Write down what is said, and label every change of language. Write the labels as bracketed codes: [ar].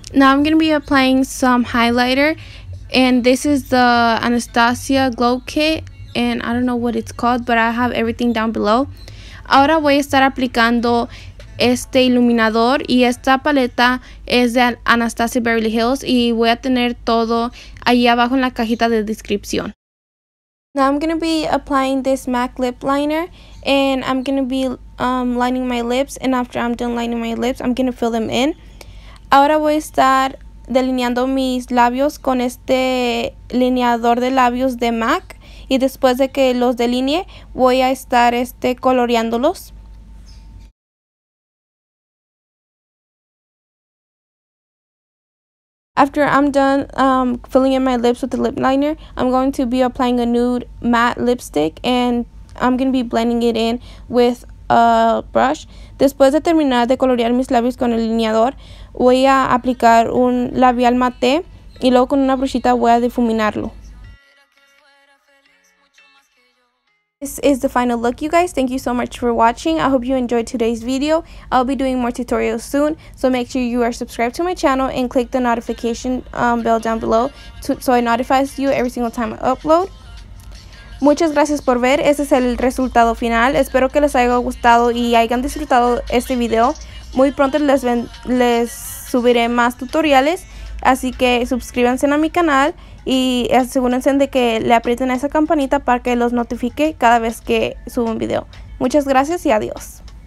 [en] Now I'm going to be applying some highlighter, and this is the Anastasia Glow Kit, and I don't know what it's called, but I have everything down below. [es] Ahora voy a estar aplicando este iluminador, y esta paleta es de Anastasia Beverly Hills, y voy a tener todo ahí abajo en la cajita de descripción. [en] Now I'm going to be applying this MAC lip liner and I'm going to be lining my lips, and after I'm done lining my lips I'm going to fill them in. [es] Ahora voy a estar delineando mis labios con este lineador de labios de MAC, y después de que los delinee voy a estar coloreándolos. [en] After I'm done filling in my lips with the lip liner, I'm going to be applying a nude matte lipstick and I'm going to be blending it in with a brush. [es] Después de terminar de colorear mis labios con el delineador, voy a aplicar un labial mate y luego con una brochita voy a difuminarlo. [en] This is the final look, you guys. Thank you so much for watching. I hope you enjoyed today's video. I'll be doing more tutorials soon, so make sure you are subscribed to my channel and click the notification bell down below so it notifies you every single time I upload. [es] Muchas gracias por ver. Este es el resultado final. Espero que les haya gustado y hayan disfrutado este video. Muy pronto les subiré más tutoriales, así que suscríbanse a mi canal y asegúrense de que le aprieten a esa campanita para que los notifique cada vez que subo un video. Muchas gracias y adiós.